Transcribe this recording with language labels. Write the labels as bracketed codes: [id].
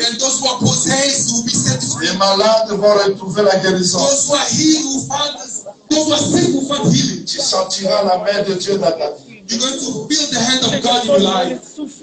[en] And those who are possessed will be set free. [fr] Les malades vont retrouver la guérison. [en] Those who are healed will find, those who are sick will find healing. [fr] Tu sentiras la main de Dieu dans ta vie. [en] You're going to feel the hand of God in your life.